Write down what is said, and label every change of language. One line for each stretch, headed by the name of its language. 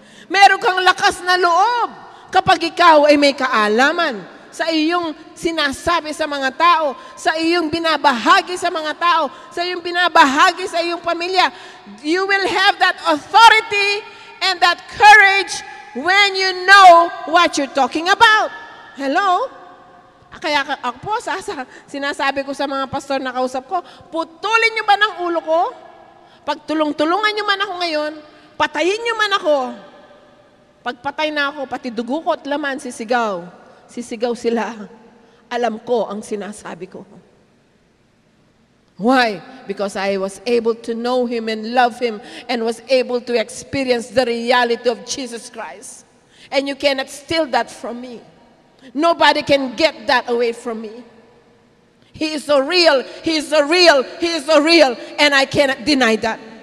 Filipino: Meron kang lakas na loob kapag ikaw ay may kaalaman sa iyong sinasabi sa mga tao, sa iyong binabahagi sa mga tao, sa iyong binabahagi sa iyong pamilya.
English: You will have that authority and that courage when you know what you're talking about. Hello?
Filipino: Kaya ako po, sinasabi ko sa mga pastor na kausap ko, putulin niyo ba ng ulo ko? Pag tulong-tulungan niyo man ako ngayon, patayin niyo man ako. Pag patay na ako, pati dugo ko at laman sisigaw sila, alam ko ang sinasabi ko.
English: Why? Because I was able to know Him and love Him and was able to experience the reality of Jesus Christ. And you cannot steal that from me. Nobody can get that away from me. He is so real. He is so real. He is so real. And I cannot deny that.